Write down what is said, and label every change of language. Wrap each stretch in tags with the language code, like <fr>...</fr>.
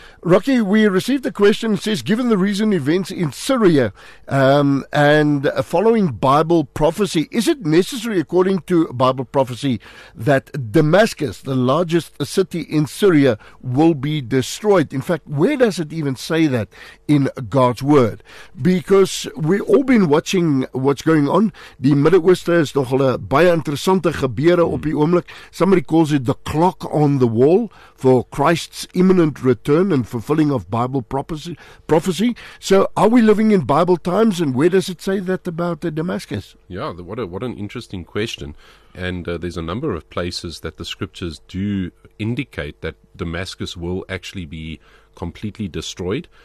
<en>Rocky, we received a question, says, given the recent events in Syria and following Bible prophecy, is it necessary, according to Bible prophecy, that Damascus, the largest city in Syria, will be destroyed? In fact, where does it even say that in God's word? Because we've all been watching what's going on.</en> <af>Die Midde-Ooste is nogal 'n baie interessante gebeure op die oomblik.</af> <en>Somebody calls it the clock on the wall for Christ's imminent return and fulfilling of Bible prophecy. So are we living in Bible times, and where does it say that about Damascus? Yeah, what an interesting question. And there's a number of places that the scriptures do indicate that Damascus will actually be completely destroyed.</en>